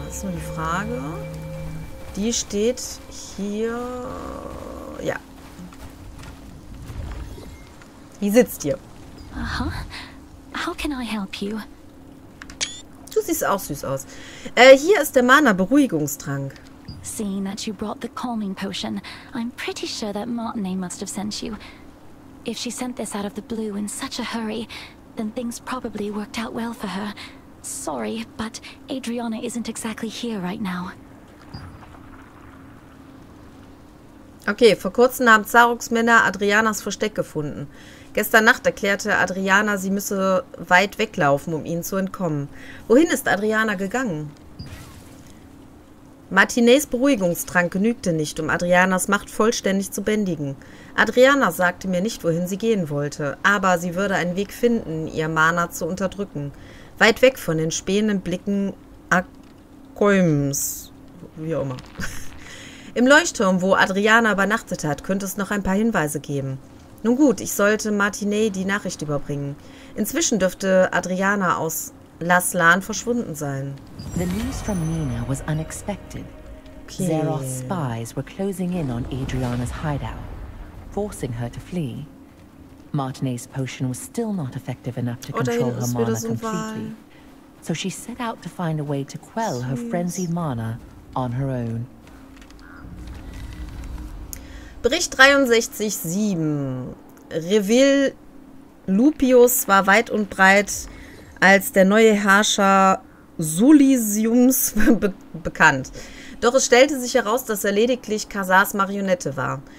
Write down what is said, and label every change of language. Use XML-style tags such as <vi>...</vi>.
<de>Das ist nur eine Frage. Die steht hier. Ja. Wie sitzt ihr?</de> <en>Aha. How can I help you?</en> <de>Du siehst auch süß aus. Hier ist der Mana-Beruhigungstrank.</de> <en>Seeing that you brought the calming potion, I'm pretty sure that Martinet must have sent you. If she sent this out of the blue in such a hurry, then things probably worked out well for her. Sorry, but Adriana isn't exactly here right now.</en> <de>Okay, vor kurzem haben Zaruks Männer Adrianas Versteck gefunden. Gestern Nacht erklärte Adriana, sie müsse weit weglaufen, um ihnen zu entkommen. Wohin ist Adriana gegangen? Martinets Beruhigungstrank genügte nicht, um Adrianas Macht vollständig zu bändigen. Adriana sagte mir nicht, wohin sie gehen wollte, aber sie würde einen Weg finden, ihr Mana zu unterdrücken. Weit weg von den spähenden Blicken Akäums. Wie auch immer. Im Leuchtturm, wo Adriana übernachtet hat, könnte es noch ein paar Hinweise geben. Nun gut, ich sollte Martinet die Nachricht überbringen. Inzwischen dürfte Adriana aus Laslan verschwunden sein.</de> <en>The news from Mina was unexpected. Okay. Zeroth's spies were closing in on Adriana's hideout, forcing her to flee. Martinet's potion was still not effective enough to control her mana completely. So she set out to find a way to quell her frenzied mana on her own.</en> <de>Bericht 63.7. Revil Lupius war weit und breit als der neue Herrscher Sulisiums bekannt. Doch es stellte sich heraus, dass er lediglich Khazars Marionette war.</de>